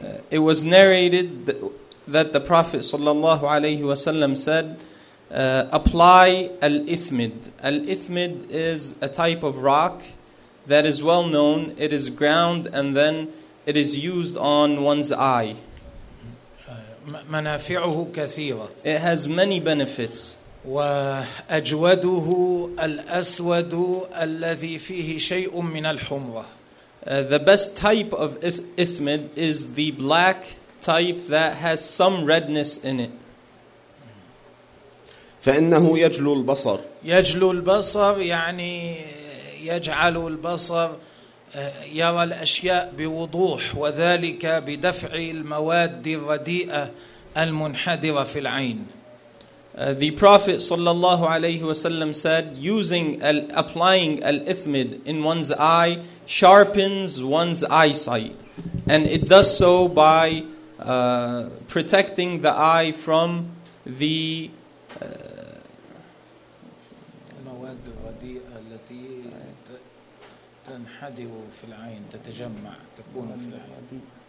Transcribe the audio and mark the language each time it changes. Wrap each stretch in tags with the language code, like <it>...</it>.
<en>It was narrated that the Prophet sallallahu alayhi wasallam said, apply al-ithmid. Al-ithmid is a type of rock that is well known. It is ground and then it is used on one's eye.</en> <ar>منافعه كثيرة.</ar> <en>It has many benefits.</en> <ar>وأجوده الأسود الذي فيه شيء من الحمرة.</ar> <en>The best type of ithmid is the black type that has some redness in it.</en> <ar>فإنه يجلو البصر. يجلو البصر يعني يجعل البصر يرى الأشياء بوضوح، وذلك بدفع المواد الرديئة المنحدرة في العين.</ar> <en>The Prophet صلى الله عليه وسلم said, applying al-ithmid in one's eye sharpens one's eyesight, and it does so by protecting the eye from the</en> <ar>المواد الرديئة التي تنحدر في العين، تتجمع، تكون في العين.</ar>